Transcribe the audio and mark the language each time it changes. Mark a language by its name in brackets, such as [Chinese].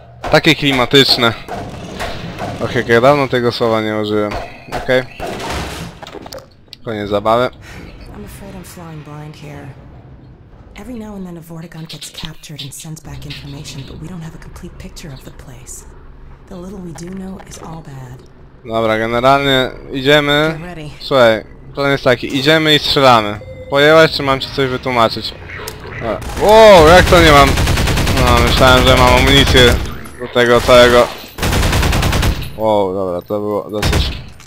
[Polish] Takie klimatyczne. Och, jak dawno tego słowa nie użyłem. Okej. Koniec zabawy. [English] I'm afraid I'm flying blind here. Every now and then a Vortigaunt gets captured and sends back information, but we don't have a complete picture of the place. The little we do know is all bad. [Polish] Dobra, generalnie idziemy. Słuchaj, plan jest taki, idziemy i strzelamy. Pojęłaś, czy mam ci coś wytłumaczyć? Wow, jak to nie mam? No, myślałem, że mam amunicję do tego całego. Wow, dobra, to było dosyć.